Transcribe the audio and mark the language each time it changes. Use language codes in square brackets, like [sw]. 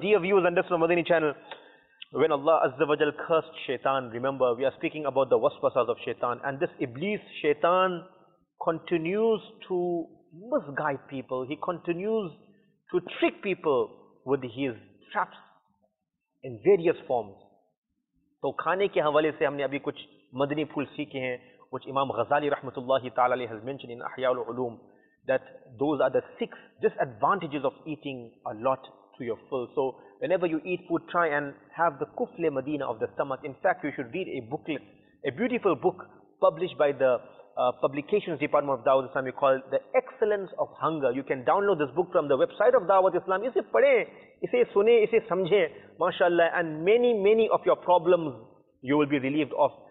[en] Dear viewers on this Madani channel, when Allah Azza wa Jal cursed shaitan, remember we are speaking about the waswasas of shaitan, and this Iblis shaitan continues to misguide people. He continues to trick people with his traps in various forms. [ur] تو کھانے کے حوالے سے ہم نے ابھی کچھ مدنی پھول سیکھے ہیں کچھ امام غزالی رحمۃ اللہ تعالیٰ علیہ [en] has mentioned in احیاء العلوم that those are the six disadvantages of eating a lot to your full. So whenever you eat food, try and have the kufle medina of the stomach. In fact, you should read a booklet, a beautiful book published by the publications department of Dawat Islam called The Excellence of Hunger. You can download this book from the website of Dawat Islam. [ur] اسے پڑھیں, اسے سنیں, اسے سمجھیں, [en] mashallah, and many of your problems you will be relieved of.